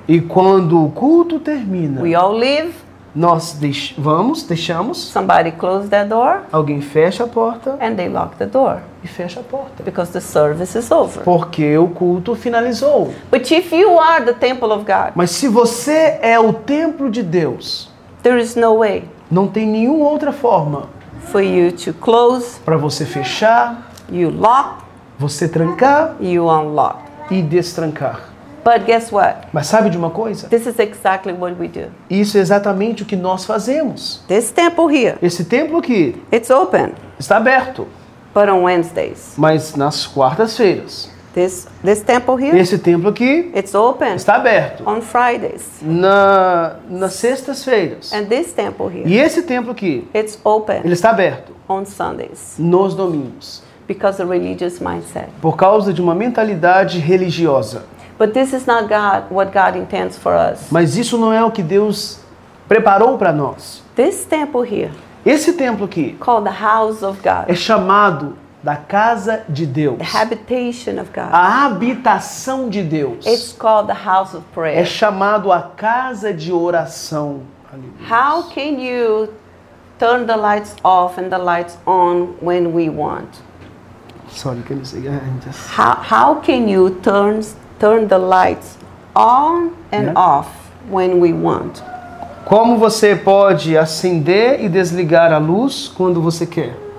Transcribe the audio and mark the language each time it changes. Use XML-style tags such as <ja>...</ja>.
<pt>E quando o culto termina.</pt> <en>We all leave.</en> <pt>Nós deixamos.</pt> <en>Somebody closes that door.</en> <pt>Alguém fecha a porta.</pt> <en>And they lock the door.</en> <pt>E fecha a porta.</pt> <en>Because the service is over.</en> <pt>Porque o culto finalizou.</pt> <en>But if you are the temple of God.</en> <pt>Mas se você é o templo de Deus.</pt> <en>There is no way.</en> <pt>Não tem nenhuma outra forma.</pt> <en>For you to close.</en> <pt>Para você fechar.</pt> <en>You lock.</en> <pt>Você trancar.</pt> <en>You unlock.</en> <pt>E destrancar.</pt> <en>But guess what?</en> <pt>Mas sabe de uma coisa?</pt> <en>This is exactly what we do.</en> <pt>Isso é exatamente o que nós fazemos.</pt> <en>This temple here.</en> <pt>Esse templo aqui.</pt> <en>It's open.</en> <pt>Está aberto.</pt> <en>But on Wednesdays.</en> <pt>Mas nas quartas-feiras.</pt> <en>This temple here.</en> <pt>Esse templo aqui.</pt> <en>It's open.</en> <pt>Está aberto.</pt> <en>On Fridays.</en> <pt>Nas sextas-feiras.</pt> <en>And this temple here.</en> <pt>E esse templo aqui.</pt> <en>It's open.</en> <pt>Ele está aberto.</pt> <en>On Sundays.</en> <pt>Nos domingos.</pt> <en>Because of religious mindset.</en> <pt>Por causa de uma mentalidade religiosa.</pt> <en>But this is not God, what God intends for us.</en> <pt>Mas isso não é o que Deus preparou para nós.</pt> <en>This temple here.</en> <pt>Esse templo aqui.</pt> <en>Called the house of God.</en> <pt>É chamado da casa de Deus.</pt> <en>The habitation of God.</en> <pt>A habitação de Deus.</pt> <en>It's called the house of prayer.</en> <pt>É chamado a casa de oração. Aleluia.</pt> <en>How can you turn the lights off and the lights on when we want? Sorry, can you say again? Just... How can you turn the lights on and off when we want?</en> <pt>Como você pode acender e desligar a luz quando você quer?</pt>